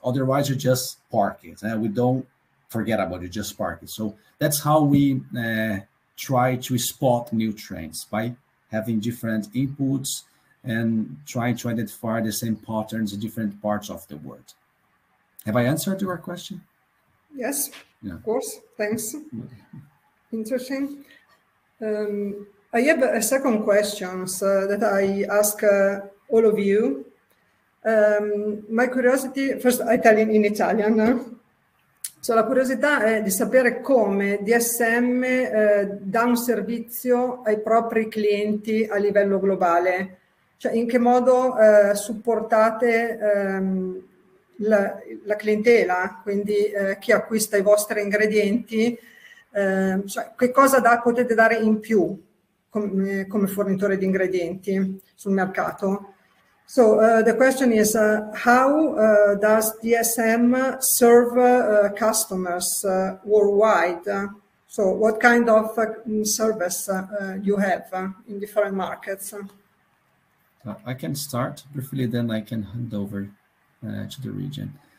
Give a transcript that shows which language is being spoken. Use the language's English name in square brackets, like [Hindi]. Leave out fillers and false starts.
[English] Otherwise, you just park it. We don't forget about it, just park it. So that's how we try to spot new trends, by having different inputs and trying to identify the same patterns in different parts of the world. Have I answered your question? Yes, yeah. Of course. Thanks. Interesting. I have a second question that I ask all of you. My curiosity, first Italian in Italian, so [Italian] la curiosità è di sapere come DSM dà un servizio ai propri clienti a livello globale, cioè in che modo supportate la clientela, quindi chi acquista i vostri ingredienti, cioè che cosa potete dare in più come fornitore di ingredienti sul mercato. [English] So the question is, how does DSM serve customers worldwide? So what kind of service you have in different markets? I can start briefly, then I can hand over to the region.